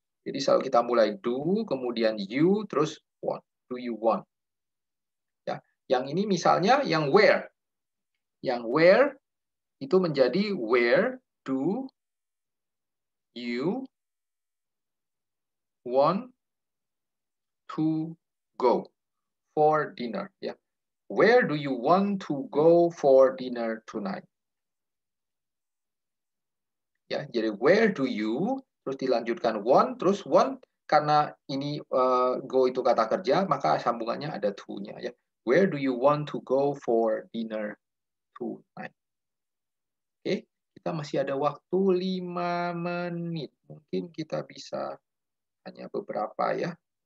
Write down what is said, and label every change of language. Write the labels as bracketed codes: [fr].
[id] Jadi kalau kita mulai [en] do, kemudian you, [id] terus [en] want, do you want [id] ya. Yang ini misalnya yang where itu menjadi [en] where do you want to go for dinner. [id] Ya. [en] Where do you want to go for dinner tonight? [id] Ya, jadi [en] where do you, [id] terus dilanjutkan want, terus want, karena ini go itu kata kerja, maka sambungannya ada to-nya. Ya. [en] Where do you want to go for dinner tonight? Oke. Okay. [id] Kita masih ada waktu 5 menit. Mungkin kita bisa hanya beberapa ya.